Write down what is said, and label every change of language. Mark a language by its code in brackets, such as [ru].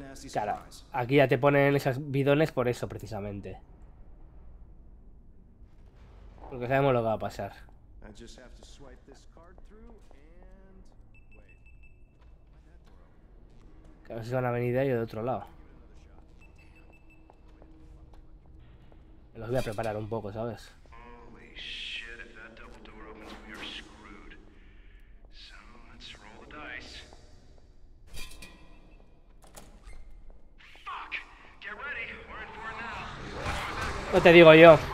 [es] Claro, aquí ya te ponen esos bidones por eso, precisamente. Porque sabemos lo que va a pasar. [en] I just have to swipe this card through and wait. [es] Que no se van a venir de ahí o de otro lado. Me los voy a preparar un poco, ¿sabes? [en] Holy shit, if that double door opens, we are screwed. So let's roll the dice. Fuck! Get ready, we're in for now. [es] No te digo yo.